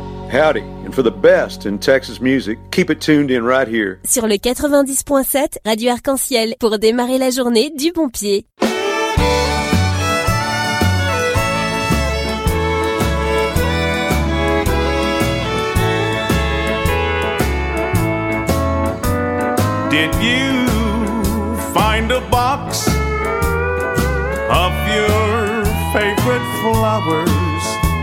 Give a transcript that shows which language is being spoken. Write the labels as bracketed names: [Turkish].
[English] Howdy, and for the best in Texas music, keep it tuned in right here. [French] Sur le 90.7, Radio Arc-en-Ciel, pour démarrer la journée du bon pied. [English] Did you find a box of your favorite flowers?